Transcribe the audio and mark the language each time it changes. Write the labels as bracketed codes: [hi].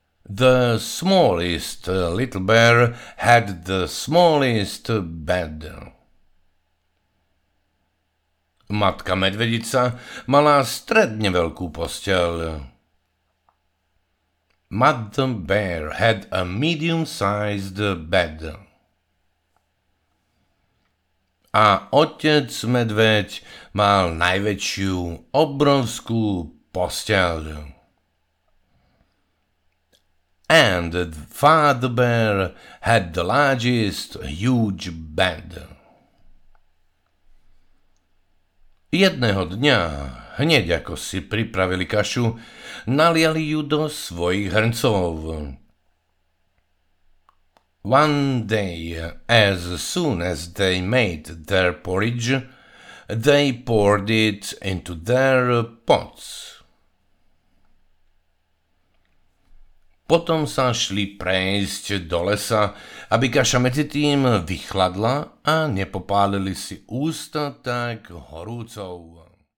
[en] The smallest little bear had the smallest bed. [sk] Matka medvedica mala stredne veľkú posteľ. [en] Mother bear had a medium-sized bed. [sk] A otec medveď mal najväčšiu obrovskú posteľ. [en] And father bear had the largest huge bed. [sk] Jedného dňa, hneď ako si pripravili kašu, naliali ju do svojich hrncov. [en] One day, as soon as they made their porridge, they poured it into their pots. [sk] Potom sa šli prejsť do lesa, aby kaša medzi tým vychladla a nepopálili si ústa tak horúcou.